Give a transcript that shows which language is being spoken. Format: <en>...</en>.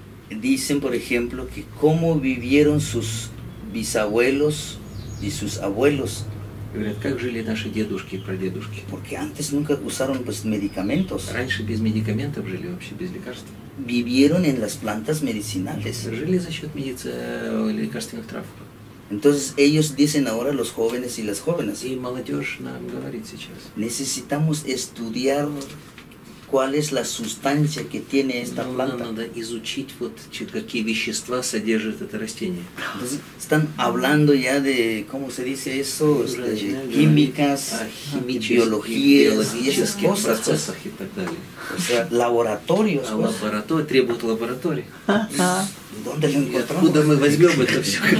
<es>Dicen, por ejemplo, que cómo vivieron sus bisabuelos y sus abuelos.</es> <ru>Говорят, как жили наши дедушки и прадедушки.</ru> <es>Porque antes nunca usaron pues medicamentos.</es> <ru>Раньше без медикаментов жили, вообще без лекарств.</ru> <es>Vivieron en las plantas medicinales.</es> <ru>Жили за счет лекарственных трав.</ru> <es>Entonces ellos dicen ahora los jóvenes y las jóvenes.</es> <ru>И молодежь нам говорит сейчас.</ru> <es>Necesitamos estudiar cuál es la sustancia que tiene esta planta.</es> <ru>No, надо изучить вот какие вещества содержит это растение.</ru> <es>Entonces, están hablando ya de cómo se dice eso, de químicas, biología, esas cosas, o sea, laboratorios. Pues.</es> <ru>Laboratorio, требует лаборатории.</ru> <es>¿Dónde lo encontramos?</es> <ru>¿Откуда мы возьмем это все?</ru>